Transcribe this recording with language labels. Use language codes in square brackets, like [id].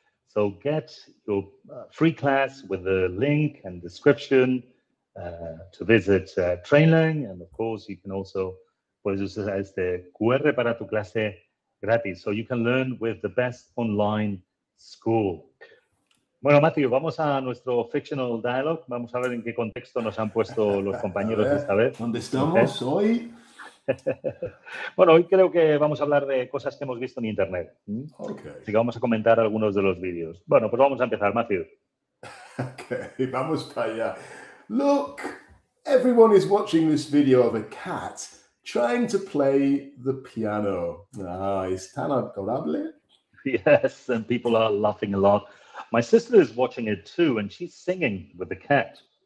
[en] So get your free class with the link and description to visit Trainlang. And of course, you can also [es] puedes usar este QR para tu clase gratis. [en] So you can learn with the best online school. [es] Bueno, Matthew, vamos a nuestro [en] fictional dialogue. [es] Vamos a ver en qué contexto nos han puesto los compañeros ver, esta vez. ¿Dónde estamos hoy? Bueno, hoy creo que vamos a hablar de cosas que hemos visto en Internet. [en] Okay. [es] Así que vamos a comentar algunos de los vídeos. Bueno, pues vamos a empezar, Matthew. Okay, vamos para allá. [en] Look, everyone is watching this video of a cat trying to play the piano. [es] Ah, ¿es tan adorable? [en] Yes, and people are laughing a lot. My sister is watching it too, and she's singing with the cat.